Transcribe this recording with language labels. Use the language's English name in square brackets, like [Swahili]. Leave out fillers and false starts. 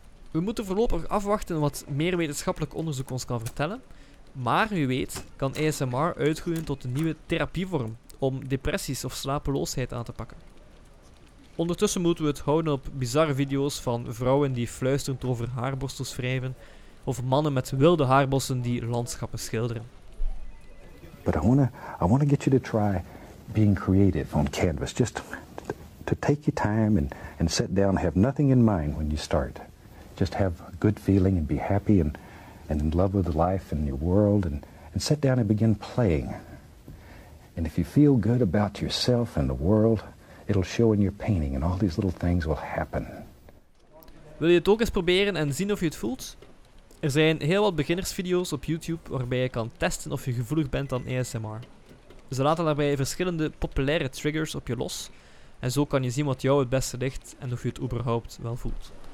[Dutch] We moeten voorlopig afwachten wat meer wetenschappelijk onderzoek ons kan vertellen, maar wie weet kan ASMR uitgroeien tot een nieuwe therapievorm om depressies of slapeloosheid aan te pakken. Ondertussen moeten we het houden op bizarre video's van vrouwen die fluisterend over haarborstels wrijven of mannen met wilde haarbossen die landschappen schilderen. [English] But I wanna get you to try being creative on canvas. Just to take your time and sit down. Have nothing in mind when you start. Just have a good feeling and be happy and in love with life and your world and sit down and begin playing. And if you feel good about yourself and the world, it'll show in your painting and all these little things will happen. [Dutch] Wil je het ook eens proberen en zien of je het voelt? Er zijn heel wat beginnersvideo's op YouTube waarbij je kan testen of je gevoelig bent aan ASMR. Ze laten daarbij verschillende populaire triggers op je los en zo kan je zien wat jou het beste ligt en of je het überhaupt wel voelt.